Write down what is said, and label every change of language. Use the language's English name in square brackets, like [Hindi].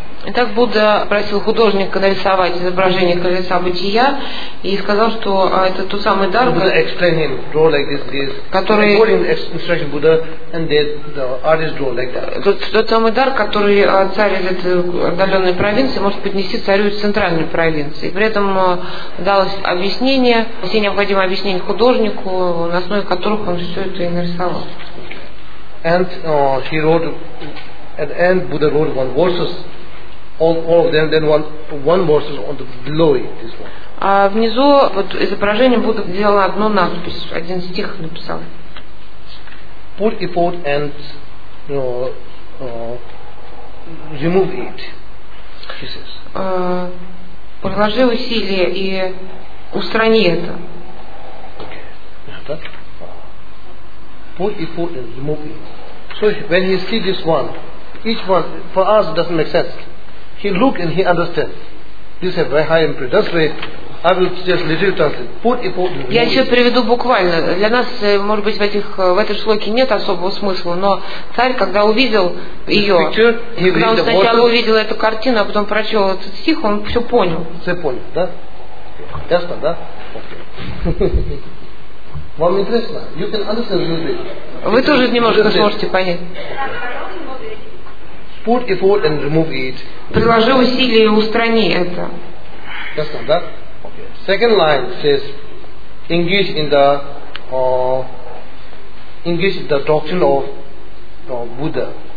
[Russian] Итак, Будда просил художника нарисовать изображение колеса бытия и сказал, что это тот самый дар, который царь из этой отдаленной провинции может поднести царю из центральной провинции. При этом далось объяснение, все необходимые объяснения художнику, на основе которых он все это и нарисовал. [English] And he wrote at the end, Buddha wrote one verses. All of them, then one verse on the below it, this one. [Russian] А внизу вот изображение Будда сделал одну надпись, один стих написал. [English] Put effort and remove it. He says. [Russian] Приложи усилия и устрани это. [English] Put effort and remove it. So when he see this one, each one for us doesn't make sense. He look and he understands. This is a very high imprint. That's why I will just literally translate. Put effort. [Russian] Я еще приведу буквально. Для нас, может быть, в этой шлоке нет особого смысла, но царь, когда увидел ее, когда он сначала увидел эту картину, а потом прочел этот стих, он все понял. Все понял, да? Ясно, да? Окей. Вам интересно? [English] You can understand a little bit. [Russian] Вы тоже немножко сможете понять. [English] Put effort and remove it. [Russian] Приложи усилия и устрани это. [English] That's not that. Okay. Second line says, engage in the doctrine of Buddha.